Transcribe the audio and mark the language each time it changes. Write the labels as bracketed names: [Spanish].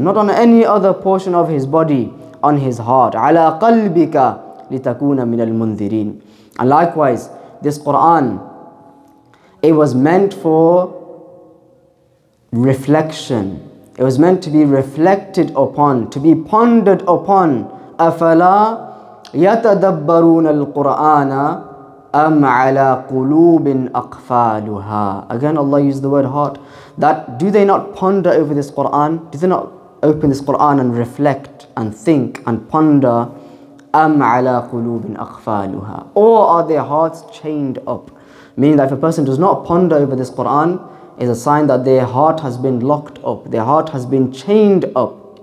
[English] Not on any other portion of his body, on his heart. [Arabic] عَلَى قَلْبِكَ لِتَكُونَ مِنَ الْمُنذِرِينَ [English] And likewise, this Qur'an, it was meant for reflection. It was meant to be reflected upon, to be pondered upon. [Arabic] أَفَلَا يَتَدَبَّرُونَ الْقُرْآنَ أَمْ عَلَىٰ قُلُوبٍ أَقْفَالُهَا [English] Again, Allah used the word heart. That do they not ponder over this Qur'an? Do they not open this Qur'an and reflect and think and ponder? [Arabic] أَمْ عَلَىٰ قُلُوبٍ أَقْفَالُهَا [English] Or are their hearts chained up? Meaning that if a person does not ponder over this Qur'an, is a sign that their heart has been locked up, their heart has been chained up.